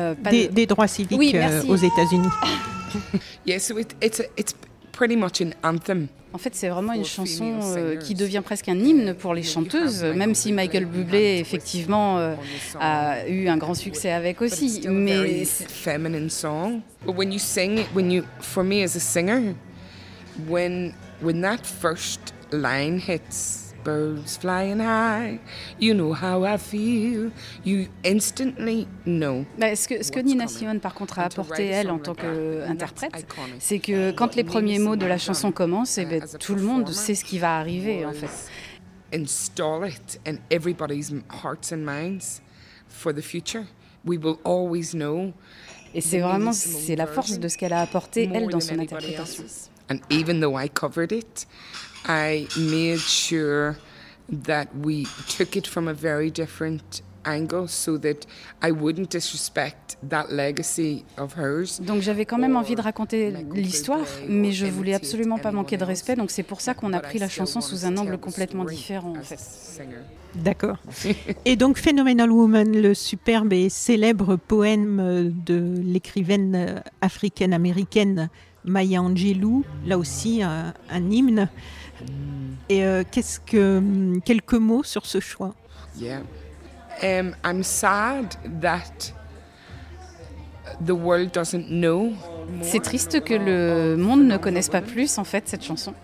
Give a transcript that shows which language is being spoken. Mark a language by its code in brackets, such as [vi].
[fr] Des droits civiques aux États-Unis. [en] Yes, it's pretty much an anthem. [fr] En fait, c'est vraiment une chanson qui devient presque un hymne pour les chanteuses, même si Michael Bublé effectivement a eu un grand succès avec aussi. Mais [en] feminine song. But when you sing, when you, for me as a singer, when that first line hits. Birds flying high, you know how I feel. You instantly know. [fr] Mais ce que Nina Simone, par contre, a apporté elle en tant qu'interprète, c'est que quand les premiers mots de la chanson commencent, tout le monde sait ce qui va arriver, en fait. [en] Install it in everybody's hearts and minds for the future. We will always know. [fr] Et c'est vraiment la force de ce qu'elle a apporté elle dans son interprétation. [en] And even though I covered it. I made sure that we took it from a very different angle so that I wouldn't disrespect that legacy of hers. [fr] Donc j'avais quand même envie de raconter l'histoire, mais je voulais absolument pas manquer de respect, donc c'est pour ça qu'on a pris la chanson sous un angle complètement différent, en fait. D'accord. Et donc Phenomenal Woman, le superbe et célèbre poème de l'écrivaine africaine-américaine Maya Angelou, là aussi un hymne. Et quelques mots sur ce choix. [en] Yeah. I'm sad that the world doesn't know. [fr] C'est triste que le monde ne connaisse pas plus en fait cette chanson.